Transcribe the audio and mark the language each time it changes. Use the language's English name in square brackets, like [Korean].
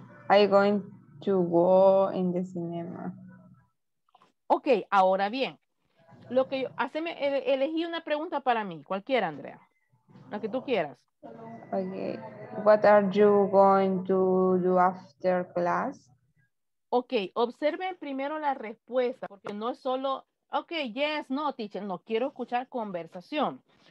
[English] I am going to go in the cinema. [Spanish] Ok, ahora bien. Lo que yo, haceme, elegí una pregunta para mí, cualquiera, Andrea. La que tú quieras. [English] Okay. What are you going to do after class? [Spanish] Ok, observen primero la respuesta, porque no es solo, [English] ok, yes, no, teacher, no, [Spanish] quiero escuchar conversación.